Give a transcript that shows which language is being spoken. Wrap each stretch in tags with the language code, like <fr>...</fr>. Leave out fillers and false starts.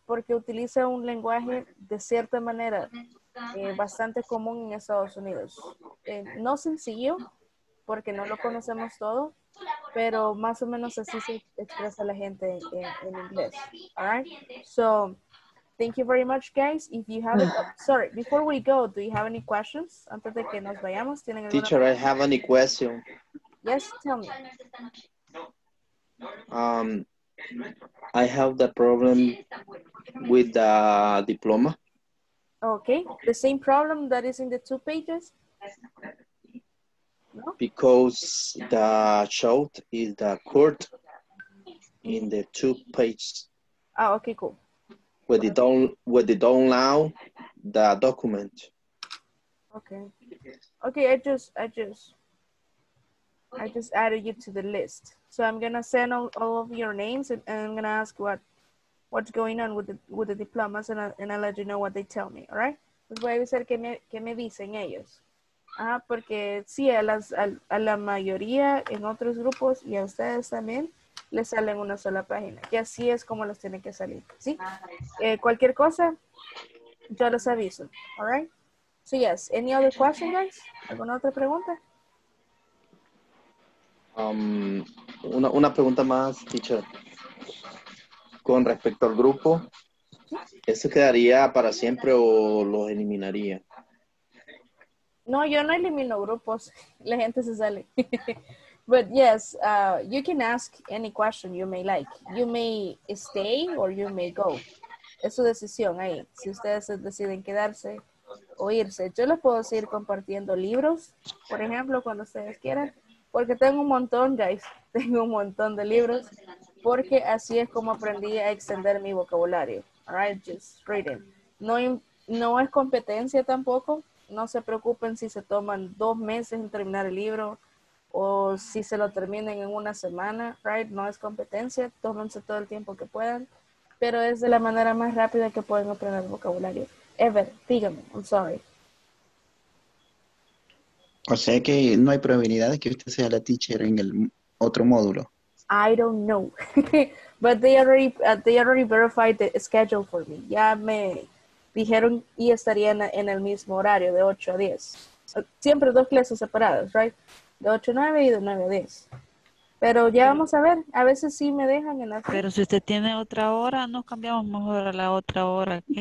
<es>Porque utiliza un lenguaje de cierta manera bastante común en Estados Unidos. No sencillo, porque no lo conocemos todo, pero más o menos así se expresa la gente en inglés.</es> <en>All right? So, thank you very much, guys. If you have sorry, before we go, do you have any questions?</en> <es>Antes de que nos vayamos, ¿tienen alguna</es> <en>teacher, pregunta? I have any question. Yes, tell me. I have the problem with the diploma. Okay, the same problem that is in the two pages? No? Because the short is the court in the two pages. Oh, okay, cool. Where they don't allow the document. Okay. Okay, I just added you to the list. So I'm gonna send all of your names and I'm gonna ask what's going on with the diplomas and I'll let you know what they tell me, all right?</en> <es>Les voy a avisar qué me dicen ellos. Ah, porque sí, a la mayoría en otros grupos y a ustedes también les salen una sola página. Y así es como los tienen que salir, ¿sí? Cualquier cosa, yo los aviso,</es> <en>all right? So yes, any other questions, guys?</en> <es>¿Alguna otra pregunta? Una pregunta más, teacher. Con respecto al grupo, ¿eso quedaría para siempre o los eliminaría? No, yo no elimino grupos. La gente se sale.</es> <en>But yes, you can ask any question you may like. You may stay or you may go.</en> <es>Es su decisión ahí. Si ustedes deciden quedarse o irse. Yo les puedo seguir compartiendo libros, por ejemplo, cuando ustedes quieran. Porque tengo un montón, guys. Tengo un montón de libros. Porque así es como aprendí a extender mi vocabulario.</es> <en>All right, just reading.</en> <es>No es competencia tampoco. No se preocupen si se toman 2 meses en terminar el libro o si se lo terminan en una semana, right? No es competencia. Tómense todo el tiempo que puedan. Pero es de la manera más rápida que pueden aprender vocabulario.</es> <en>Ever,</en> <es>dígame.</es> <en>I'm sorry.</en> <es>O sea que no hay probabilidad de que usted sea la teacher en el otro módulo.</es> <en>I don't know. But they already verified the schedule for me.</en> <es>Ya me dijeron y estaría en el mismo horario de 8 a 10. Siempre dos clases separadas, right? De 8 a 9 y de 9 a 10. Pero ya vamos a ver, a veces sí me dejan en la fila. Pero si usted tiene otra hora, nos cambiamos mejor a la otra hora.</es>